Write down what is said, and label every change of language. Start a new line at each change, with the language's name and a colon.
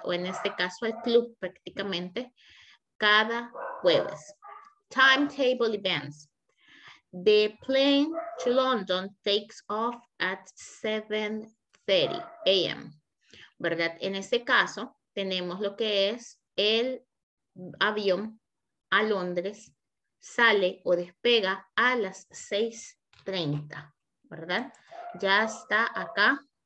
Spanish: O en este caso al club prácticamente cada jueves.
English: Timetable events. The plane to London takes off at 7:30 a.m.
Spanish: ¿Verdad? En este caso tenemos lo que es el avión a Londres sale o despega a las 6:30, ¿verdad? Ya está acá.